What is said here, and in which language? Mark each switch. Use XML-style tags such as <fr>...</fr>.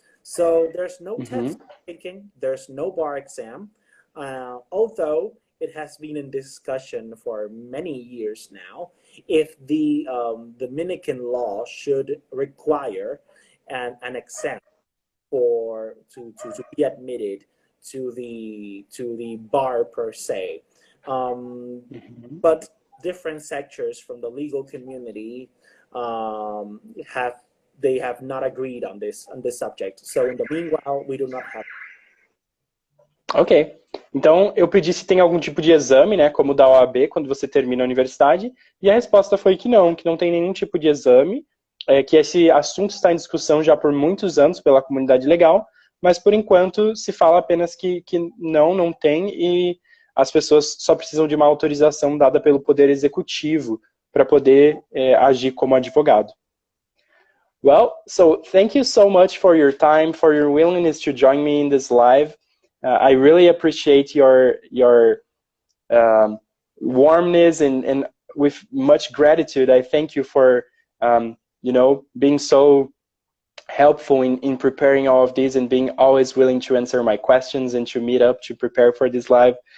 <en>So there's no mm-hmm. test taking, there's no bar exam, although it has been in discussion for many years now, if the Dominican law should require an exam to be admitted to the bar per se, mm-hmm. but different sectors from the legal community have not agreed on this subject. So in the meanwhile, we do not have. Okay,</en> <pt>Então, eu pedi se tem algum tipo de exame, né, como da OAB, quando você termina a universidade, e a resposta foi que não tem nenhum tipo de exame, que esse assunto está em discussão já por muitos anos pela comunidade legal, mas, por enquanto, se fala apenas que não tem, e as pessoas só precisam de uma autorização dada pelo Poder Executivo para poder agir como advogado.</pt> <en>Well, so thank you so much for your time, for your willingness to join me in this live. I really appreciate your warmness and with much gratitude. I thank you for being so helpful in preparing all of these and being always willing to answer my questions and to meet up to prepare for this live.</en>